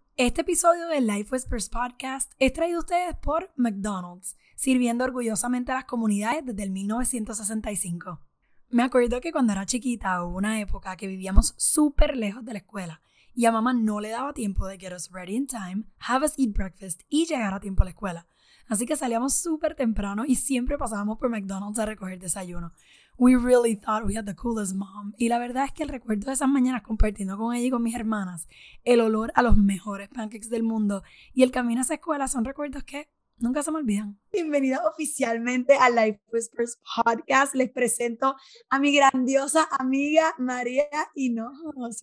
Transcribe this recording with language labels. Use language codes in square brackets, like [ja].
[es] Este episodio del Life Whispers Podcast es traído a ustedes por McDonald's, sirviendo orgullosamente a las comunidades desde el 1965. Me acuerdo que cuando era chiquita hubo una época que vivíamos súper lejos de la escuela y a mamá no le daba tiempo de [en] get us ready in time, have us eat breakfast [es] y llegar a tiempo a la escuela. Así que salíamos súper temprano y siempre pasábamos por McDonald's a recoger desayuno. [en] We really thought we had the coolest mom. [es] Y la verdad es que el recuerdo de esas mañanas compartiendo con ella y con mis hermanas, el olor a los mejores pancakes del mundo y el camino a esa escuela son recuerdos que nunca se me olvidan. Bienvenida oficialmente a Life Whispers Podcast. Les presento a mi grandiosa amiga María Hinojos.